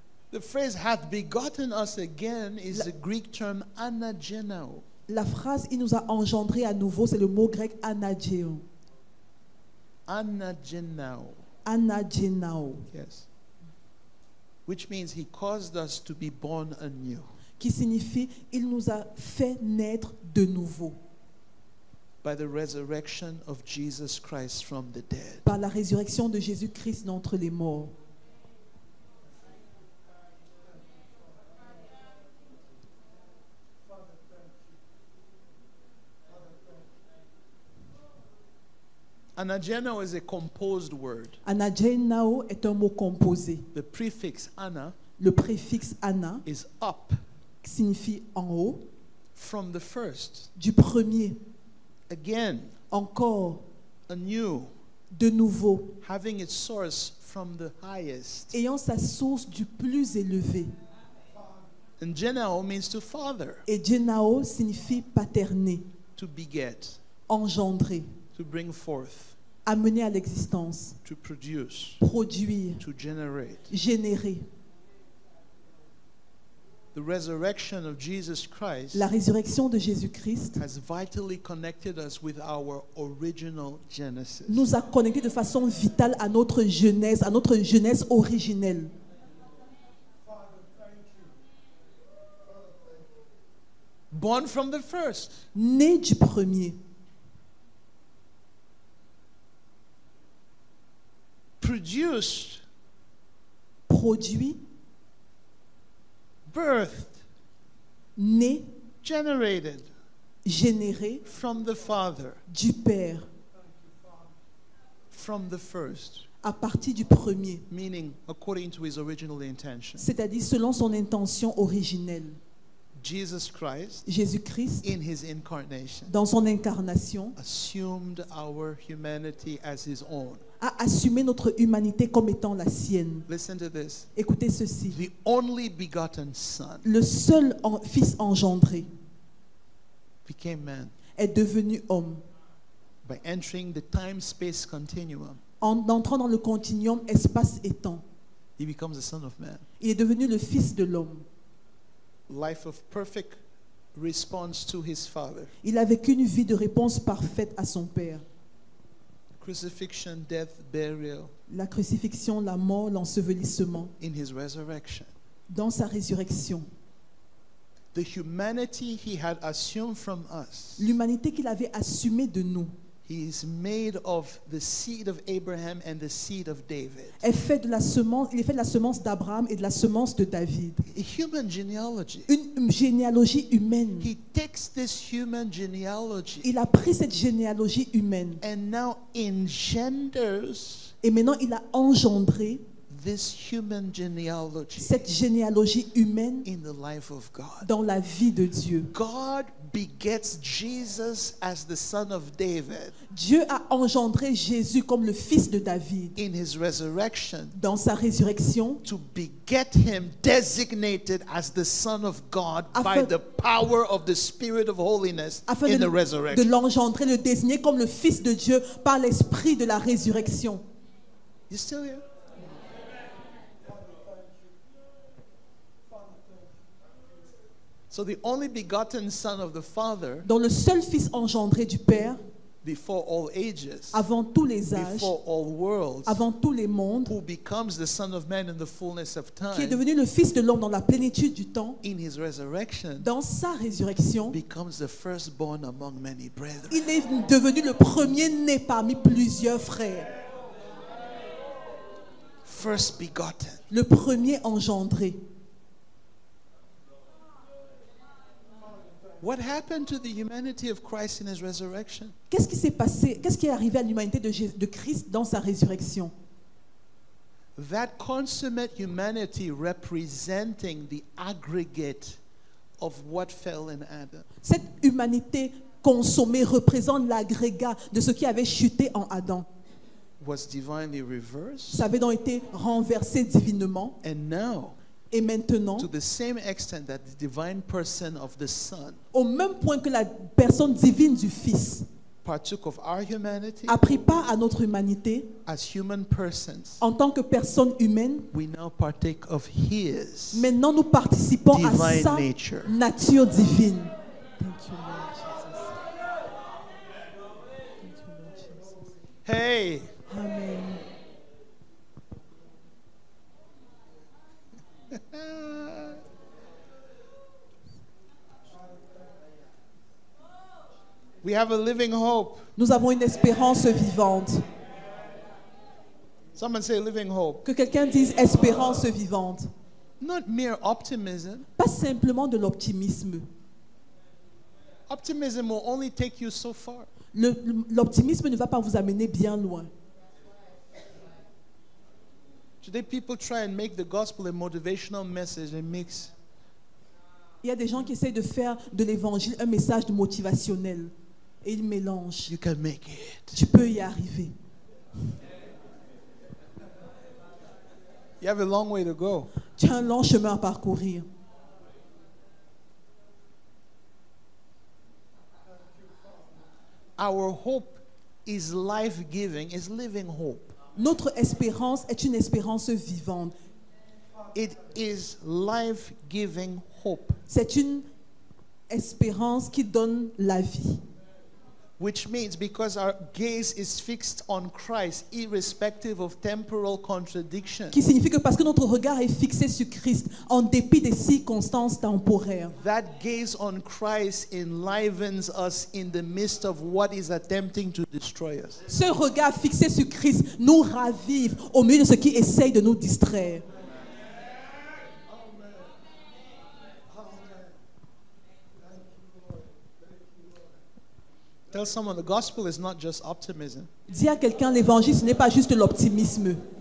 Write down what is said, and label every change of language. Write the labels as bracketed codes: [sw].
[en] The phrase "hath begotten us again" is the Greek term anageno. [fr] La phrase "il nous a engendré à nouveau" c'est le mot grec anageo. [en] Anageno. Anageno. Yes. Which means he caused us to be born anew. [fr] Qui signifie il nous a fait naître de nouveau. [en] By the resurrection of Jesus Christ from the dead. [fr] Par la résurrection de Jésus-Christ d'entre les morts. [en] Anageno is a composed word. [fr] Anageno est un mot composé. [en] The prefix ana, [fr] le préfixe ana, [en] is up, [fr] signifie en haut, [en] from the first, [fr] du premier, [en] again, [fr] encore, [en] anew, [fr] de nouveau, [en] having its source from the highest, [fr] ayant sa source du plus élevé. [en] And genao means to father. [fr] Et genao signifie paterner, [en] to beget, [fr] engendrer. [en] To bring forth, [fr] amener à l'existence, [en] to produce, [fr] produire, [en] to generate, [fr] générer. [en] The resurrection of Jesus Christ, [fr] la résurrection de Jésus-Christ, [en] has vitally connected us with our original genesis. [fr] Nous a connectés de façon vitale à notre genèse originelle. [en] Born from the first, [fr] né du premier. [en] Produced, [fr] produit, [en] birthed, [fr] né, [en] generated, [fr] généré, [en] from the Father, [fr] du Père, [en] from the first, [fr] à partir du premier, [en] meaning according to his original intention, [fr] c'est-à-dire selon son intention originelle. [en] Jesus Christ, [fr] Jésus-Christ, [en] in his incarnation, [fr] dans son incarnation, [en] assumed our humanity as his own. [fr] A assumé notre humanité comme étant la sienne. [en] Listen to this. [fr] Écoutez ceci. [en] The only begotten son, [fr] le seul fils engendré, [en] became man, [fr] est devenu homme, [en] by entering the time-space continuum, [fr] en entrant dans le continuum espace et temps. [en] He becomes the son of man. [fr] Il est devenu le fils de l'homme. [en] Life of perfect response to his father. [fr] Il a vécu une vie de réponse parfaite à son père. [en] Crucifixion, death, burial. [fr] La crucifixion, la mort, l'ensevelissement. [en] In his resurrection. [fr] Dans sa résurrection. [en] The humanity he had assumed from us. [fr] L'humanité qu'il avait assumée de nous. [en] He is made of the seed of Abraham and the seed of David. [fr] Est fait de la semence, il est fait de la semence d'Abraham et de la semence de David. [en] A human genealogy. [fr] Une généalogie humaine. [en] He takes this human genealogy. [fr] Il a pris cette généalogie humaine. [en] And now engenders. [fr] Et maintenant il a engendré [en] this human genealogy. [fr] Cette généalogie humaine [en] in the life of God. [fr] Dans la vie de Dieu. [en] God begets Jesus as the son of David. [fr] Dieu a engendré Jésus comme le fils de David. [en] In his resurrection. [fr] Dans sa résurrection. [en] To beget him designated as the son of God by the power of the spirit of holiness in the resurrection. [fr] De l'engendrer, le désigner comme le fils de Dieu par l'esprit de la résurrection. [en] You still here? So the only begotten son of the Father, [fr] dans le seul fils engendré du Père, [en] before all ages, [fr] avant tous les âges, [en] before all worlds, [fr] avant tous les mondes, [en] who becomes the son of man in the fullness of time, [fr] qui est devenu le fils de l'homme dans la plénitude du temps, [en] in his resurrection, [fr] dans sa résurrection, [en] becomes the firstborn among many brethren. [fr] Il est devenu le premier né parmi plusieurs frères. [en] First begotten. [fr] Le premier engendré. [en] What happened to the humanity of Christ in his resurrection? [fr] Qu'est-ce qui s'est passé? Qu'est-ce qui est arrivé à l'humanité de Christ dans sa résurrection? [en] That consummate humanity representing the aggregate of what fell in Adam. [fr] Cette humanité consommée représente l'agrégat de ce qui avait chuté en Adam. [en] Was divinely reversed. [fr] Ça avait donc été renversé divinement. [en] And now. [fr] Et maintenant, [en] to the same extent that the divine person of the Son, [fr] au même point que la personne divine du Fils, [en] partook of our humanity, [fr] a pris part à notre humanité, [en] as human persons, [fr] en tant que personne humaine, [en] we now partake of his, [fr] maintenant nous participons à sa [en] nature, [fr] nature divine. [en] Thank you, Lord Jesus. Thank you, Lord Jesus. Hey. Amen. We have a living hope. [fr] Nous avons une espérance vivante. [en] Someone say living hope. [fr] Que quelqu'un dise espérance vivante. [en] Not mere optimism. [fr] Pas simplement de l'optimisme. [en] Optimism will only take you so far. [fr] L'optimisme ne va pas vous amener bien loin. [en] Today people try and make the gospel a motivational message and mix. [fr] Il y a des gens qui essayent de faire de l'évangile un message de motivationnel. Et il mélange. [en] You can make it. [fr] Tu peux y arriver. [en] You have a long way to go. [fr] Tu as un long chemin à parcourir. [en] Our hope is life-giving, is living hope. [fr] Notre espérance est une espérance vivante. [en] It is life-giving hope. [fr] C'est une espérance qui donne la vie. [en] Which means because our gaze is fixed on Christ, irrespective of temporal contradictions. [fr] Qui signifie que parce que notre regard est fixé sur Christ, en dépit des circonstances temporaires. [en] That gaze on Christ enlivens us in the midst of what is attempting to destroy us. [fr] Ce regard fixé sur Christ nous ravive au milieu de ce qui essaye de nous distraire. [en] Tell someone the gospel is not just optimism. [fr] Dis à quelqu'un l'évangile ce n'est pas juste l'optimisme.